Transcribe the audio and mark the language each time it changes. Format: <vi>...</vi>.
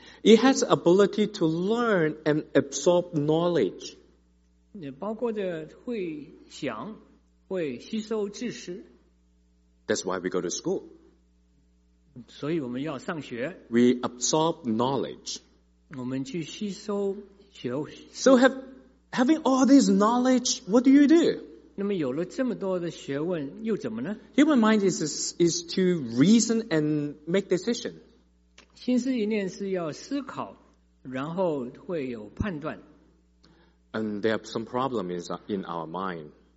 <en>It has the ability to learn and absorb knowledge.</en> <zh>包括着会想、会吸收知识。</zh> <en>That's why we go to school.</en> <zh>所以我们要上学。</zh> <en>We absorb knowledge.</en> <zh>我们去吸收学。</zh> <en>So having all this knowledge, what do you do?</en> <zh>那么有了这么多的学问，又怎么呢？</zh> <en>Human mind is to reason and make decision.</en> <zh>心思一念是要思考，然后会有判断。</zh> <en>And there are some problems in our mind.</en>